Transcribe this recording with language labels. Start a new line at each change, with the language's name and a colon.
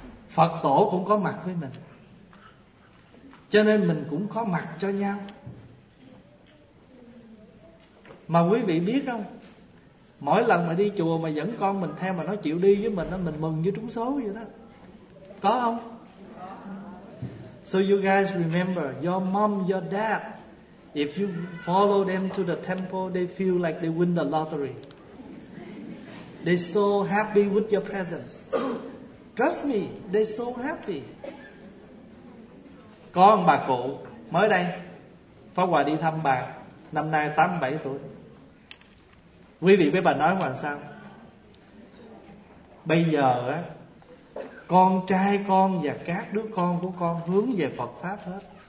Vietnamese: Phật tổ cũng có mặt với mình, cho nên mình cũng có mặt cho nhau. Mà quý vị biết không, mỗi lần mà đi chùa mà dẫn con mình theo mà nó chịu đi với mình, mình mừng như trúng số vậy đó. Có không?
English: So you guys remember, your mom, your dad, if you follow them to the temple, they feel like they win the lottery. They so happy with your presence. Trust me, they so happy.
Vietnamese: Có ông bà cụ mới đây, Pháp Hòa đi thăm bà, năm nay 87 tuổi. Quý vị với bà nói làm sao? Bây giờ á, con trai con và các đứa con của con hướng về Phật Pháp hết.